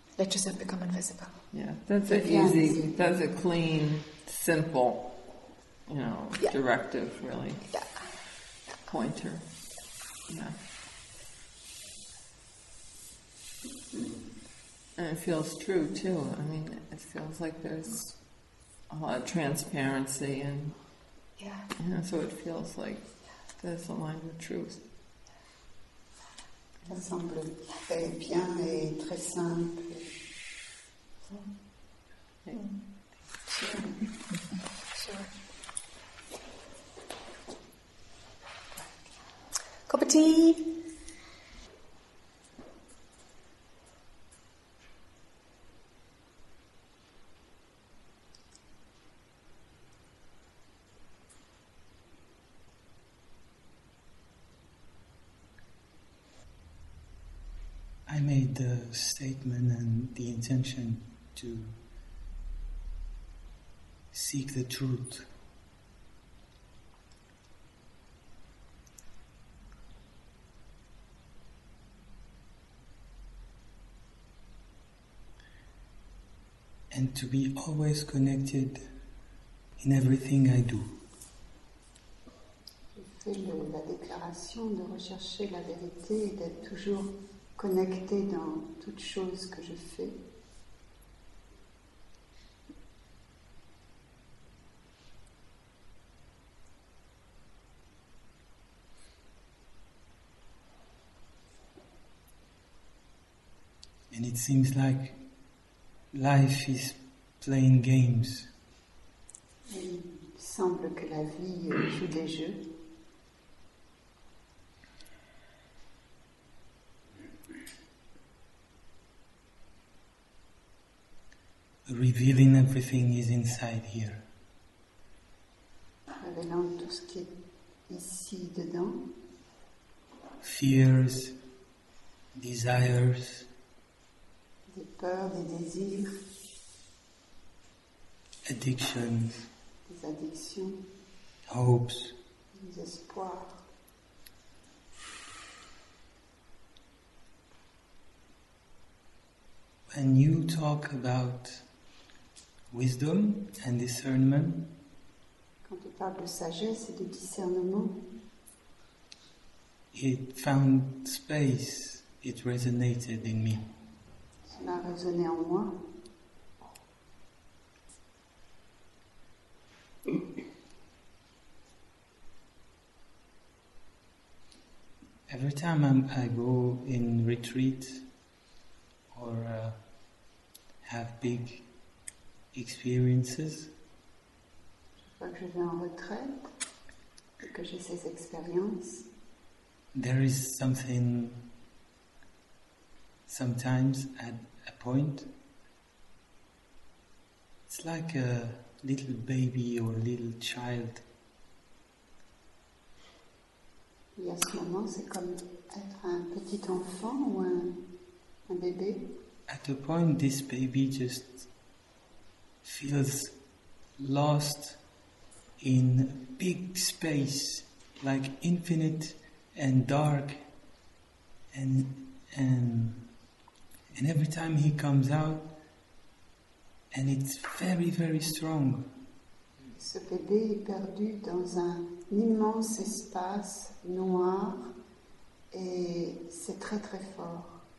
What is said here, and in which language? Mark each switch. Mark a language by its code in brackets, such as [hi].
[en] let yourself become invisible. Yeah, that's an easy, that's a clean, simple, you know, directive, really. Yeah. Pointer. Yeah. And it feels true, too. I mean, it feels like there's a lot of transparency and, yeah, you know, so it feels like there's a line of truth. [fr] Ça semble très bien et très simple. [en] Sure. Cup of tea. I made the statement and the intention to seek the truth. And to be always connected in everything I do. [fr] Je fais la déclaration de rechercher la vérité et d'être toujours connecté dans toute chose que je fais. [en] And it seems like life is playing games. [fr] Il semble que la vie joue des jeux. [en] Revealing everything is inside here. [fr] Révélant tout ce qui est ici dedans. [en] Fears, desires. [fr] Des peurs, des désirs. [en] Addictions. [fr] Des addictions. [en] Hopes. [fr] Des espoirs. [en] When you talk about wisdom and discernment. [fr] Quand on parle de sagesse et de discernement, [en] it found space, it resonated in me. [fr] Cela a résonné en moi. [en] Every time I go in retreat or have big experiences. [fr] Quand je vais en retraite et que j'ai ces expériences, [en] there is something sometimes at a point. It's like a little baby or a little child. [fr] Et à ce moment, c'est comme être un petit enfant ou un bébé. [en] At a point, this baby just feels lost in big space, like infinite and dark, and every time he comes out, and it's very, very strong. [fr] Ce bébé est perdu dans un immense espace noir, et c'est très, très fort.